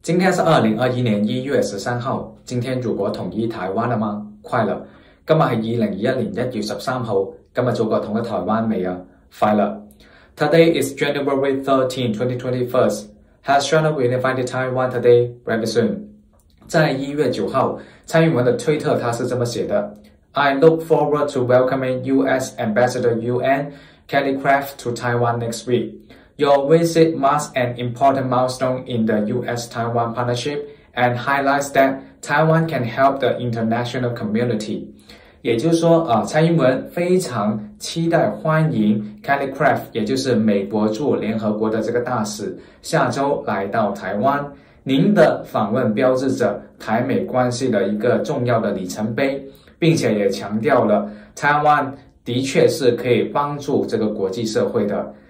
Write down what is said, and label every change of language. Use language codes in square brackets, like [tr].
[zh] 今天是2021年1月13号，今天祖国统一台湾了吗？快乐！今日是2021年1月13号，今日祖国统一台湾没有？快乐！ [en] Today is January 13, 2021. Has China reunified Taiwan today? Very soon. [zh] 在1月9号，蔡英文的推特他是这么写的： [en] I look forward to welcoming U.S. Ambassador Yuan Kelly Craft to Taiwan next week. Your visit marks an important milestone in the U.S.-Taiwan partnership and highlights that Taiwan can help the international community. [zh] 也就是说，蔡英文非常期待欢迎 Kelly Craft， 也就是美国驻联合国的这个大使，下周来到台湾。您的访问标志着台美关系的一个重要的里程碑，并且也强调了台湾的确是可以帮助这个国际社会的。